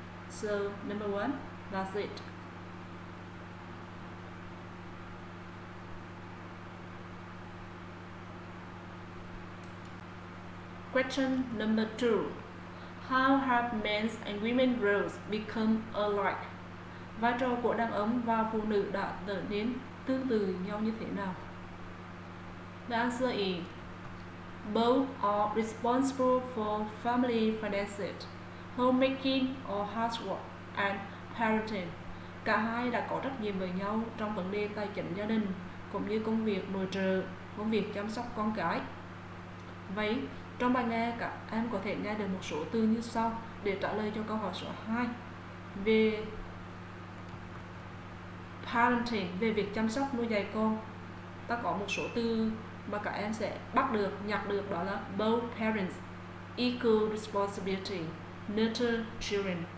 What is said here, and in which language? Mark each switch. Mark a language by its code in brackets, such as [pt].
[en] So, number one, that's it. Question number two. How have men's and women's roles become alike? [vi] Vai trò của đàn ông và phụ nữ đã trở nên tương tự nhau như thế nào? [en] The answer is, both are responsible for family finances, homemaking or housework, and parenting. [vi] Cả hai đã có trách nhiệm với nhau trong vấn đề tài chính gia đình, cũng như công việc nội trợ, công việc chăm sóc con cái. Vậy, trong bài nghe, các em có thể nghe được một số từ như sau để trả lời cho câu hỏi số 2. Về parenting, về việc chăm sóc nuôi dạy con, ta có một số từ mà các em sẽ bắt được, nhặt được, đó là [en] both parents equal responsibility, nurture children.